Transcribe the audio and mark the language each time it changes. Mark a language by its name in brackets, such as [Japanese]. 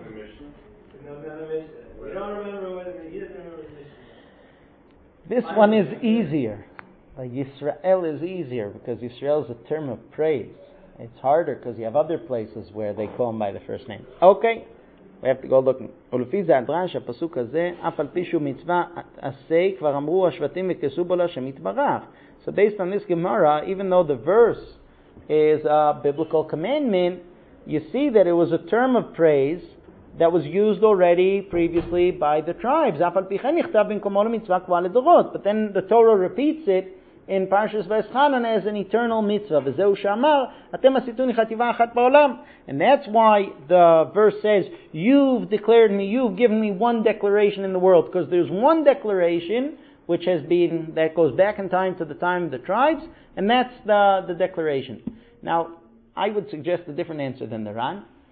[English] Mission. You don't remember whether you didn't remember the mission. This finally, one is easier. Like Yisrael is easier because Yisrael is a term of praise. It's harder because you have other places where they call him by the first name. Okay. We have to go looking. [Hebrew] ולפי זה הדרש, הפסוק הזה, אף על פי שהוא מצווה עשה, כבר אמרו השבטים וכסו בו לשם יתברך. [English] So based on this Gemara, even though the verse is a biblical commandment, you see that it was a term of praise that was used already previously by the tribes. אף על פי כן נכתב במקומו למצווה קבועה לדורות. But then the Torah repeats it in Parshas Veschanan as an eternal mitzvah. [Hebrew] וזהו שאמר, אתם עשיתוני חטיבה אחת בעולם. [English] And that's why the verse says, you've declared me, you've given me one declaration in the world. Because there's one declaration, which has been, that goes back in time to the time of the tribes, and that's the declaration. Now, I would suggest a different answer than the Ran.